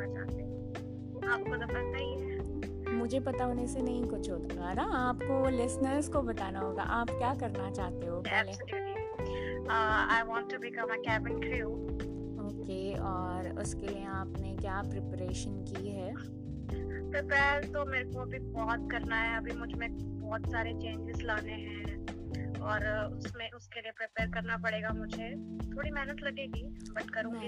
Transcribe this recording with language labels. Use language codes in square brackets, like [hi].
[hi] मुझे पता होने से नहीं कुछ होता ना, आपको लिसनर्स को बताना होगा आप क्या करना चाहते हो पहले. [en] I want to become a cabin crew. [hi] Okay, और उसके लिए आपने क्या प्रिपरेशन की है? प्रिपेयर तो मेरे को अभी बहुत करना है, अभी मुझ में बहुत सारे चेंजेस लाने हैं और उसमें उसके लिए प्रिपेयर करना पड़ेगा मुझे. थोड़ी मेहनत लगेगी बट करूंगी.